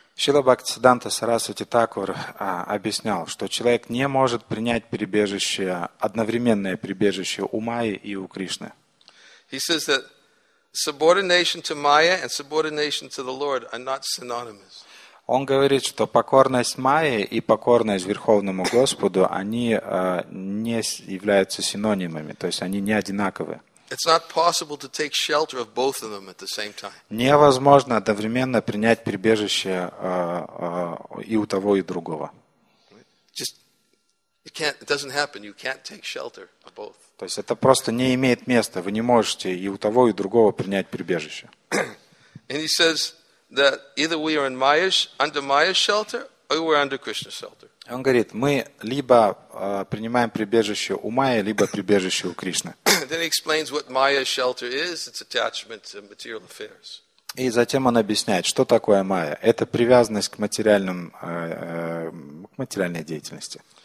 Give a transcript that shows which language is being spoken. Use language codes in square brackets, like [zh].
[ru] Шрила Бхактисиддханта Сарасвати Такур объяснял, что человек не может принять прибежище, одновременное прибежище у Майи и у Кришны. [en] He says that subordination to Maya and subordination to the Lord are not synonymous. [ru] Он говорит, что покорность Майе и покорность Верховному Господу, они не являются синонимами, то есть они не одинаковы. [en] It's not possible to take shelter of both of them at the same time. [ru] Невозможно одновременно принять прибежище и у того, и другого. [en] Just it doesn't happen. You can't take shelter of both. [ru] То есть это просто не имеет места. Вы не можете и у того, и другого принять прибежище. [en] And he says that either we are in Maya's, under Maya's shelter, or we're under Krishna's shelter. [ru] Он говорит, мы либо принимаем прибежище у Майи, либо прибежище у Кришны. [en] Then he explains what Maya's shelter is. It's attachment to material affairs. [ru] И затем он объясняет, что такое Майя. Это привязанность к материальным, к материальной деятельности.